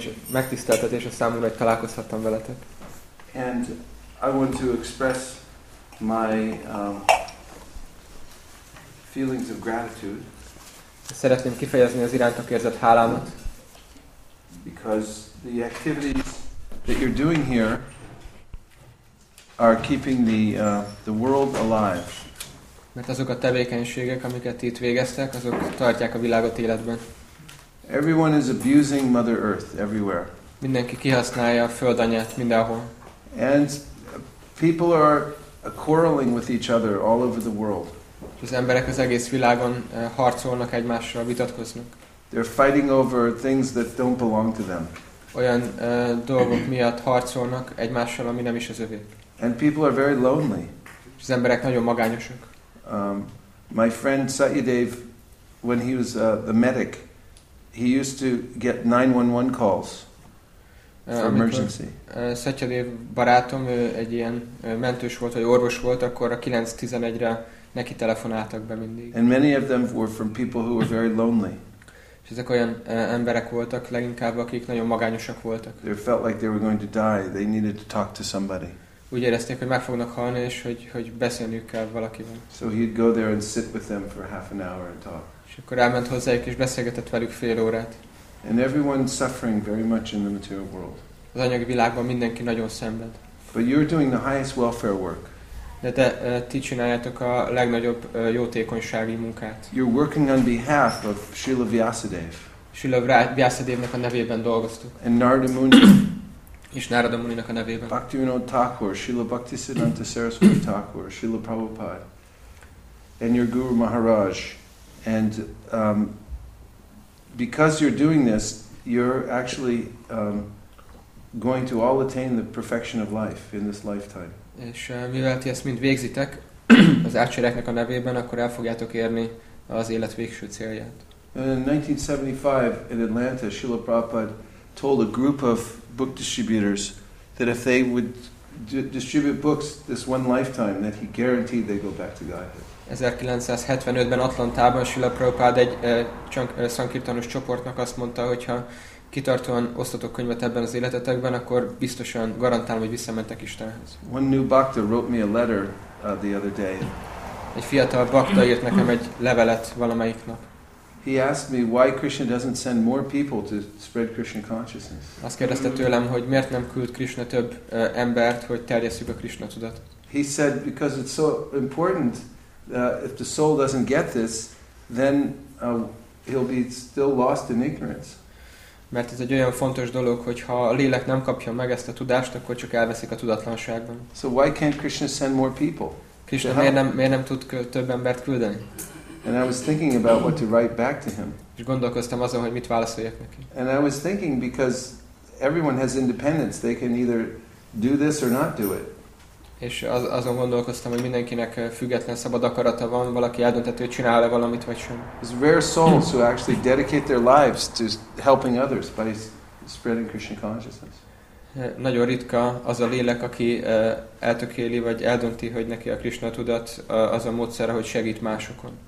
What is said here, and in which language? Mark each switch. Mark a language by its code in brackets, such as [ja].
[hu] Megtiszteltetés a számomra, hogy találkozhattam veletek. [en] And I want to express my feelings of gratitude. [hu] Szeretném kifejezni az irántok érzett hálámat. [en] Because the activities that you're doing here are keeping the world alive. [hu] Mert azok a tevékenységek, amiket itt végeztek, azok tartják a világot életben. [en] Everyone is abusing Mother Earth everywhere. [hu] Mindenki kihasználja a földanyát mindenhol. [en] And people are quarreling with each other all over the world. [hu] Az emberek az egész világon harcolnak egymással, vitatkoznak. [en] They're fighting over things that don't belong to them. [hu] Olyan dolgok miatt harcolnak egymással, ami nem is az övék. [en] And people are very lonely. [hu] Az emberek nagyon magányosak. [en] My friend Satyadev, when he was the medic, he used to get 911 calls for emergency. [hu] Satyadev barátom, ő egy ilyen mentős volt, vagy orvos volt, akkor a 911-re neki telefonáltak be mindig. [en] And many of them were from people who were very lonely. [hu] És ezek olyan emberek voltak leginkább, akik nagyon magányosak voltak. [en] They felt like they were going to die. They needed to talk to somebody. [hu] Úgy érezték, hogy meg fognak halni, és hogy beszélniük kell valakivel. [en] So he'd go there and sit with them for half an hour and talk. [hu] És akkor elment hozzájuk, és beszélgetett velük fél órát. [en] And everyone suffering very much in the material world. [hu] Az anyagi világban mindenki nagyon szenved. [en] But you're doing the highest welfare work. [hu] De te ti csináljátok a legnagyobb jótékonysági munkát. [en] You're working on behalf of Srila Vyasadeva. [hu] Srila Vyasadevnek a nevében dolgoztuk. [en] And Narada Muni. [hu] És Narada Muninak a nevében. [en] Bhaktivinod Thakur, Srila Bhaktisiddhanta Saraswati Thakur, Srila Prabhupada, and your Guru Maharaj. And because you're doing this, you're actually going to all attain the perfection of life in this lifetime. [hu] És mivel ti ezt mind végzitek, az átcsereknek a nevében, akkor el fogjátok érni az élet végső célját. [en] In 1975 in Atlanta, Srila Prabhupada told a group of book distributors that if they would distribute books this one lifetime, that he guaranteed they go back to Godhead. [hu] 1975-ben Atlantában Srila Prabhupada egy szankirtanos csoportnak azt mondta, hogyha kitartóan osztatok könyvet ebben az életetekben, akkor biztosan garantálom, hogy visszamentek Istenhez. [en] One new bhakta wrote me a letter the other day. [hu] Egy fiatal bhakta írt nekem egy levelet valamelyik nap. [en] He asked me why Krishna doesn't send more people to spread Krishna consciousness. [hu] Azt kérdezte tőlem, hogy miért nem küld Krishna több embert, hogy terjesszük a Krishna tudatot. [en] He said because it's so important if the soul doesn't get this, then he'll be still lost in ignorance. [hu] Mert ez egy olyan fontos dolog, hogy ha a lélek nem kapja meg ezt a tudást, akkor csak elveszik a tudatlanságban. [en] So why can't Krishna send more people? [hu] Krishna miért nem tud több embert küldeni? [en] And I was thinking about what to write back to him. [hu] És gondolkoztam azon, hogy mit válaszoljak neki. [en] And I was thinking because everyone has independence, they can either do this or not do it. [hu] És azon gondolkoztam, hogy mindenkinek független szabad akarata van, valaki eldönthető, hogy csinál-e valamit vagy sem. [en] It's rare souls who actually dedicate their lives to helping others by spreading Krishna consciousness. [hu] Nagyon ritka az a lélek, aki eltökéli vagy eldönti, hogy neki a Krishna tudat az a módszere, hogy segít másokon.